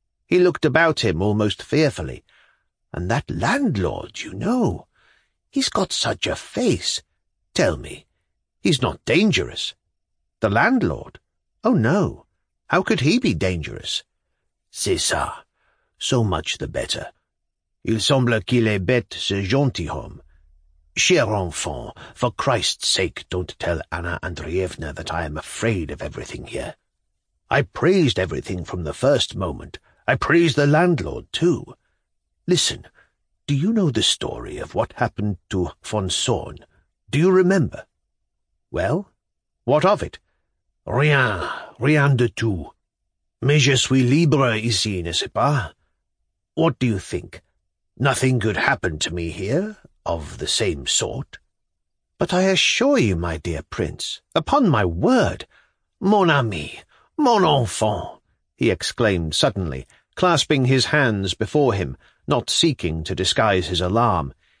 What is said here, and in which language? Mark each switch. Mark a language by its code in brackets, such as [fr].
[en] He looked about him almost fearfully. "And that landlord, you know, he's got such a face. Tell me, he's not dangerous?" "The landlord? Oh, no. How could he be dangerous?" [fr] "C'est ça. [en] So much the better. [fr] Il semble qu'il est bête ce gentil homme. Cher enfant, [en] for Christ's sake, don't tell Anna Andreevna that I am afraid of everything here. I praised everything from the first moment. I praised the landlord, too. Listen, do you know the story of what happened to von Sorn? Do you remember?" "Well, what of it?" [fr] "Rien, rien de tout. Mais je suis libre ici, n'est-ce pas? [en] What do you think? Nothing could happen to me here, of the same sort?" "But I assure you, my dear prince, upon my word, [fr] mon ami, mon enfant," [en] he exclaimed suddenly, clasping his hands before him, not seeking to disguise his alarm,